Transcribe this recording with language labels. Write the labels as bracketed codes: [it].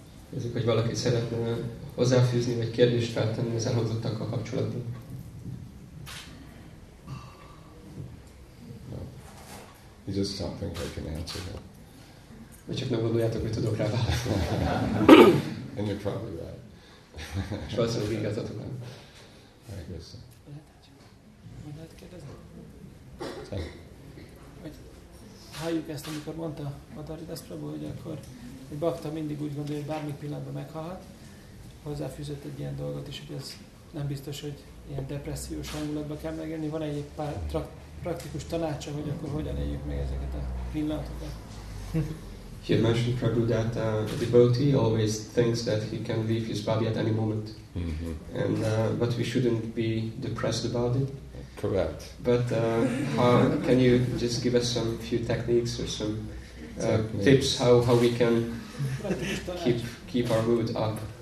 [hu] Nézzük, hogy valaki szeretne hozzáfűzni, vagy kérdést feltenni az elhangzottakkal kapcsolatban. [en] No. You just don't think I can answer that. [hu] Vagy csak nem gondoljátok, hogy tudok rá válaszolni. [en] And you're probably right. [hu] És valószínűleg igazatok nem. [en] I guess so. [hu] Halljuk ezt, amikor mondta Madhari Das Prabhu, hogy akkor egy bakta mindig úgy gondolja, hogy bármi pillanatban meghalhat. Hozzáfűzött egy ilyen dolgot is, hogy ez nem biztos, hogy ilyen depressziós hangulatban kell megélni. Van egy pár praktikus tanácsa, hogy akkor hogyan éljük meg ezeket a pillanatokat? [en] He mentioned Prabhu that a devotee always thinks that he can leave his body at any moment. Mm-hmm. And but we shouldn't be depressed about it. Correct. But how can you just give us some few techniques or some tips how we can keep our mood up?